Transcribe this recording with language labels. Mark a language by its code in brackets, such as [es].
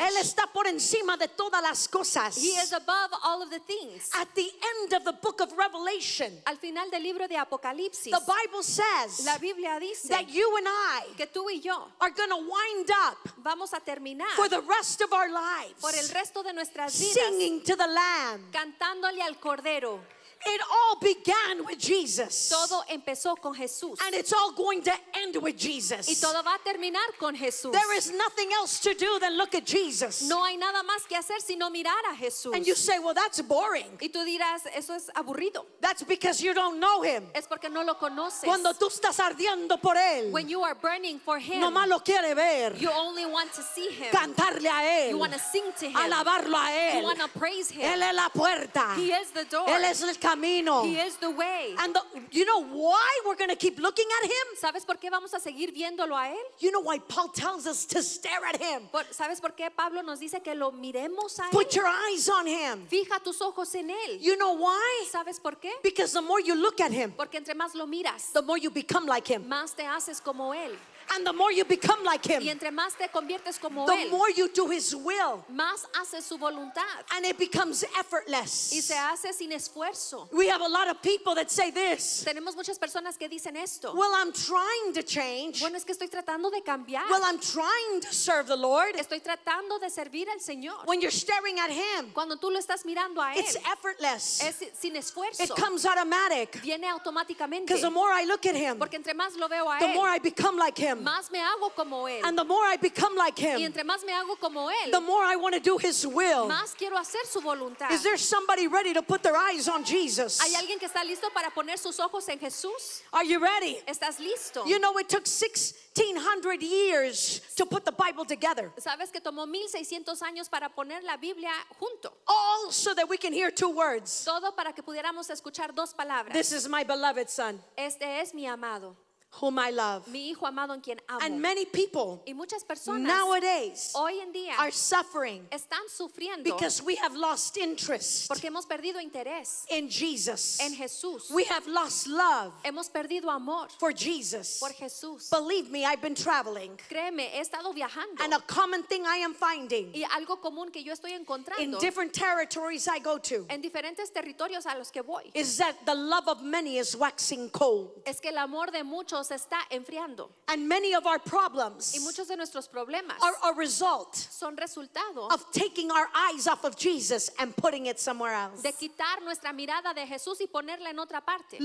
[es] Él está por encima de todas las cosas. [en] He is above all of the things. At the end of the book of Revelation, [es] al final del libro de Apocalipsis, [en] the Bible says, [es] la Biblia dice, [en] that you and I, [es] que tú y yo, [en] are going to wind up, [es] vamos a terminar, [en] for the rest of our lives, [es] por el resto de nuestras vidas, [en] singing to the Lamb, [es] cantándole al Cordero. [en] It all began with Jesus. [es] Todo empezó con Jesús. [en] And it's all going to end with Jesus. [es] Y todo va a terminar con Jesús. [en] There is nothing else to do than look at Jesus. [es] No hay nada más que hacer sino mirar a Jesús. [en] And you say, well, that's boring. [es] Y tú dirás, eso es aburrido. [en] That's because you don't know him. [es] Es porque no lo conoces. Cuando tú estás ardiendo por él. [en] When you are burning for him. [es] Nomás lo quiere ver. [en] You only want to see him. [es] Cantarle a él. [en] You want to sing to him. [es] Alabarlo a él. [en] You want to praise him. [es] Él es la puerta. [en] He is the door. [es] Él es el camino. [en] He is the way. And you know why we're going to keep looking at him? [es] ¿Sabes por qué vamos a seguir viéndolo a él? [en] You know why Paul tells us to stare at him? [es] ¿Sabes por qué Pablo nos dice que lo miremos a él? [en] Put your eyes on him. [es] Fija tus ojos en él. [en] You know why? [es] ¿Sabes por qué? [en] Because the more you look at him, [es] porque entre más lo miras, [en] the more you become like him. [es] Más te haces como él. [en] And the more you become like him, [es] y entre más te conviertes como [en] the [es] él, [en] more you do his will, [es] más haces su voluntad, [en] and it becomes effortless. [es] Y se hace sin esfuerzo. [en] We have a lot of people that say this. [es] Tenemos muchas personas que dicen esto. [en] Well, I'm trying to change. [es] Bueno, es que estoy tratando de cambiar. [en] Well, I'm trying to serve the Lord. [es] Estoy tratando de servir al Señor. [en] When you're staring at him, [es] cuando tú lo estás mirando a él, [en] it's effortless. [es] Es sin esfuerzo. [en] It comes automatic. [es] Viene automáticamente. [en] Because the more I look at him, [es] porque entre más lo veo a [en] the [es] él, [en] more I become like him. [es] Más me hago como él. [en] And the more I become like him, [es] y entre más me hago como él, [en] the more I want to do his will. [es] Más quiero hacer su voluntad. [en] Is there somebody ready to put their eyes on Jesus? [es] ¿Hay alguien que está listo para poner sus ojos en Jesús? [en] Are you ready? [es] ¿Estás listo? [en] You know, it took 1600 years to put the Bible together. [es] ¿Sabes que tomó 1600 años para poner la Biblia junto? [en] All so that we can hear two words. [es] Todo para que pudiéramos escuchar dos palabras. [en] This is my beloved son. [es] Este es mi amado. [en] Whom I love. [es] Mi hijo amado en quien amo. [en] And many people nowadays [es] hoy en día [en] are suffering [es] están sufriendo [en] because we have lost interest [es] porque hemos perdido interés [en] in Jesus. [es] En Jesús. [en] We have lost love [es] hemos perdido amor [en] for Jesus. [es] Por Jesús. [en] Believe me, I've been traveling. [es] Créeme, he estado viajando. [en] And a common thing I am finding [es] y algo común que yo estoy encontrando [en] in different territories I go to [es] en diferentes territorios a los que voy [en] is that the love of many is waxing cold. [es] Es que el amor de muchos se está enfriando. [en] And many of our problems [es] y muchos de nuestros problemas [en] are a result [es] son resultado [en] of taking our eyes off of Jesus and putting it somewhere else. [es] De quitar nuestra mirada de Jesús y ponerla en otra parte.